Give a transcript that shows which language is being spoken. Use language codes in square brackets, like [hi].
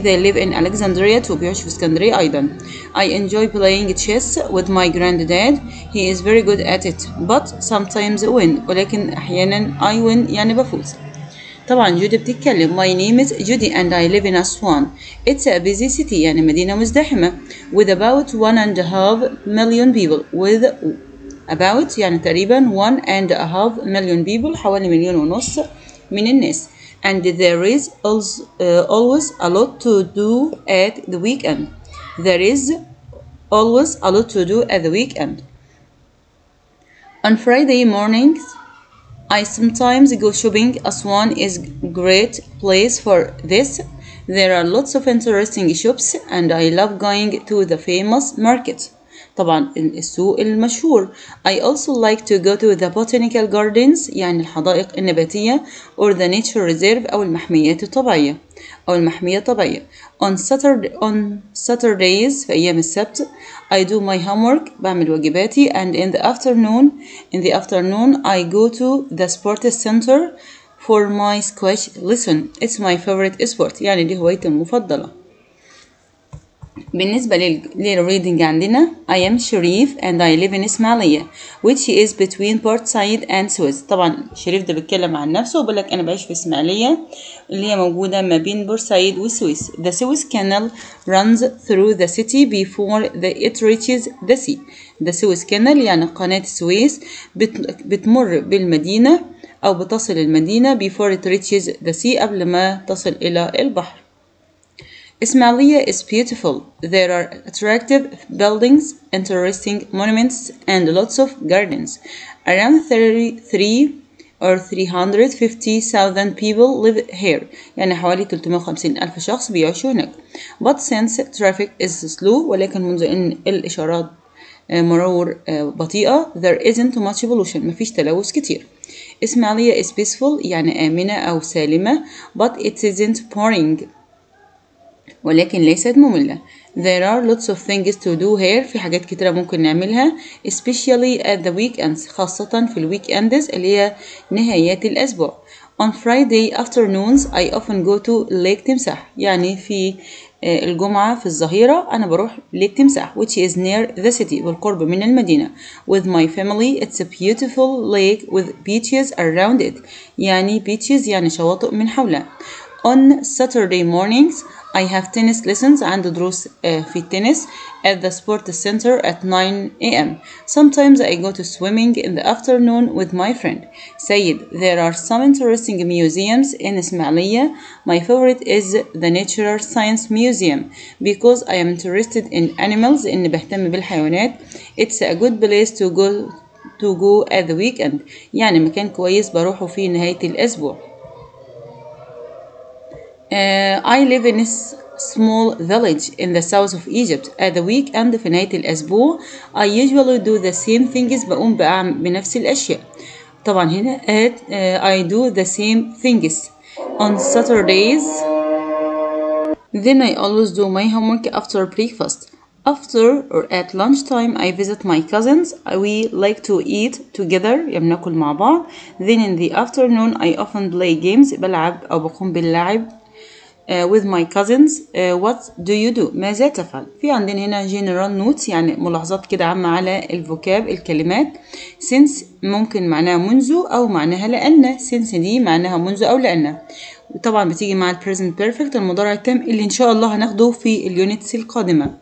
[en] They live in Alexandria, to [ar] بيعيشوا في اسكندرية أيضا. [en] I enjoy playing chess with my granddad. He is very good at it. But sometimes win. [ar] ولكن أحيانا [en] I win, [ar] يعني بفوز. طبعا جودي بتتكلم. [en] My name is Judy and I live in Aswan. It's a busy city, [ar] يعني مدينة مزدحمة. [en] With about 1.5 million people. With about, [ar] يعني تقريبا [en] 1.5 million people, [ar] حوالي مليون ونص من الناس. [en] And there is always a lot to do at the weekend. There is always a lot to do at the weekend. On Friday mornings, I sometimes go shopping. Aswan is a great place for this. There are lots of interesting shops and I love going to the famous market. [ar] طبعا السوق المشهور. [en] I also like to go to the botanical gardens, [ar] يعني الحدائق النباتية, [en] or the nature reserve, [ar] أو المحميات الطبيعية, أو المحمية الطبيعية. [en] On Saturdays, [ar] في أيام السبت, [en] I do my homework, [ar] بعمل واجباتي, [en] and in the afternoon, I go to the sports center for my squash lesson. It's my favorite sport, [ar] يعني دي هوايتي المفضلة. بالنسبة للريدنج عندنا, [en] I am Sharif and I live in Ismailia, which is between Port Said and Suez. [ar] طبعا شريف ده بيتكلم عن نفسه وبيقولك أنا بعيش في إسماعيلية اللي هي موجودة ما بين بورت سعيد وسويس. [en] The Suez Canal runs through the city before it reaches the sea. The Suez Canal, [ar] يعني قناة السويس, بتمر بالمدينة أو بتصل المدينة, [en] before it reaches the sea, [ar] قبل ما تصل إلى البحر. [en] Ismailia is beautiful. There are attractive buildings, interesting monuments, and lots of gardens. Around 350,000 people live here. [ar] يعني حوالي 350,000 شخص بيعيشوا هناك. [en] But since traffic is slow, [ar] ولكن منذ أن الإشارات مرور بطيئة, [en] there isn't much pollution. [ar] مفيش تلوث كتير. [en] Ismailia is peaceful, [ar] يعني آمنة أو سالمة. [en] But it isn't boring. [ar] ولكن ليست مملة. [en] There are lots of things to do here. [ar] في حاجات كتيرة ممكن نعملها. [en] Especially at the weekends. [ar] خاصة في الويكندز اللي هي نهايات الأسبوع. [en] On Friday afternoons I often go to Lake تمساح. [ar] يعني في الجمعة في الظهيرة أنا بروح Lake تمساح, [en] which is near the city, [ar] بالقرب من المدينة. [en] With my family, it's a beautiful lake with beaches around it. [ar] يعني beaches يعني شواطئ من حولها. [en] On Saturday mornings I have tennis lessons, [ar] عند دروس في التنس, [en] at the sports center at 9 a.m. Sometimes I go to swimming in the afternoon with my friend. Sayed, there are some interesting museums in Ismailia. My favorite is the Natural Science Museum because I am interested in animals, [ar] إني بهتم بالحيوانات. [en] It's a good place to go at the weekend. [ar] يعني مكان كويس بروحه في نهاية الأسبوع. [en] I live in a small village in the south of Egypt. At the weekend, [ar] في نهاية الأسبوع, [en] I usually do the same things, [ar] بقوم بنفس الأشياء. طبعا هنا [en] I do the same things. On Saturdays, then I always do my homework after breakfast. After or at lunchtime, I visit my cousins. We like to eat together. [ar] بناكل مع بعض. [en] Then in the afternoon, I often play games. [ar] بلعب أو بقوم باللعب. [en] With my cousins, what do you do? [ar] ماذا تفعل؟ في عندنا هنا [en] general notes, [ar] يعني ملاحظات كده عامة على الفوكاب, الكلمات. Since ممكن معناها منذ أو معناها لأن. Since دي معناها منذ أو لأن. طبعا بتيجي مع [en] the present perfect, [ar] المضارع التام اللي إن شاء الله هناخده في اليونتس القادمة.